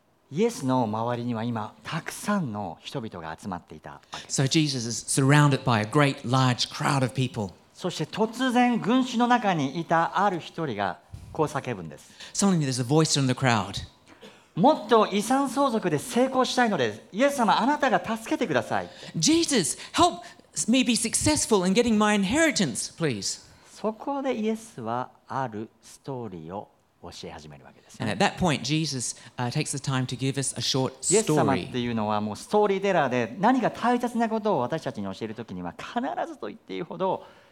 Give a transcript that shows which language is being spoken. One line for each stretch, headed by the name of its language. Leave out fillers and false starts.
Japanese: イエスの周りには今たくさんの人々が集まっていた。
English: So Jesus is surrounded by a great large crowd of people.
Japanese: そして突然群衆の中にいたある一人がこう叫ぶんです。
English: Suddenly there's a voice from the crowd.
Japanese: もっと遺産相続で成功したいので、イエス様あなたが助けてください。
English: Jesus, help me be successful in getting my inheritance, please.
Japanese: そこでイエスはあるストーリーを教え始めるわけです。
English: And at that point, Jesus, takes the time to give us a short story.
Japanese: イエス様っていうのはもうストーリーテラーで、何か大切なことを私たちに教えるときには必ずと言っていいほど。